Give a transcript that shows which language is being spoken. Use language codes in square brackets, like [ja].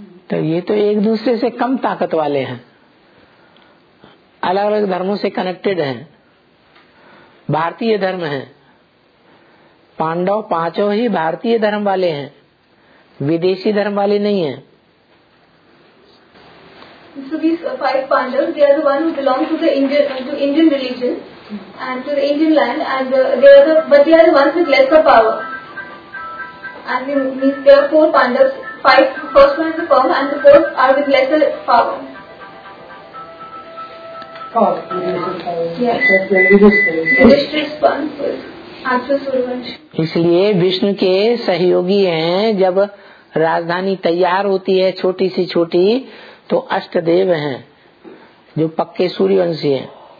[hi] तो ये तो एक दूसरे से कम ताकत वाले हैं, अलग अलग धर्मों से कनेक्टेड हैं, भारतीय धर्म हैं. पांडव पांचों ही भारतीय धर्म वाले हैं, विदेशी धर्म वाले नहीं हैं. [en] So these five Pandavas, they are the ones who belong to the Indian religion. and to the Indian land, and they are the ones with lesser power. And means there are four Pandavas, five, first one is the firm and the fourth are with lesser power. [hi] इसलिए विष्णु के सहयोगी हैं, जब राजधानी तैयार होती है छोटी सी छोटी, तो अष्टदेव हैं जो पक्के सूर्यवंशी हैं।